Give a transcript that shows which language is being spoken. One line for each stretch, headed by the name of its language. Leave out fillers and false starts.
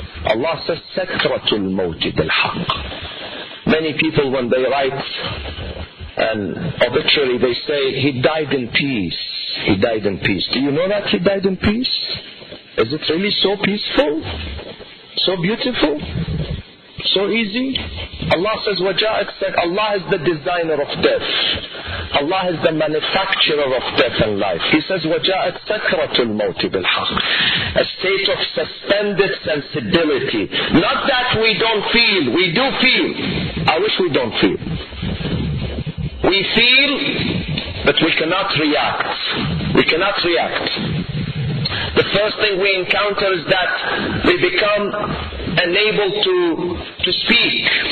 English: Allah says,
Arabic: سَكْرَةُ الْمَوْتِ بِالْحَقِّ.
English: Many people, when they write an obituary, they say, "He died in peace. He died in peace." Do you know that he died in peace? Is it really so peaceful? So beautiful? So easy? Allah says,
Arabic: وَجَاءَتْ سَكْرَةُ.
English: Allah is the designer of death. Allah is the manufacturer of death and life. He says,
Arabic: وَجَاءَتْ سَكْرَةُ الْمَوْتِ بِالْحَقِّ.
English: A state of suspended sensibility. Not that we don't feel. We do feel. I wish we don't feel. We feel, but we cannot react. We cannot react. The first thing we encounter is that we become unable to speak.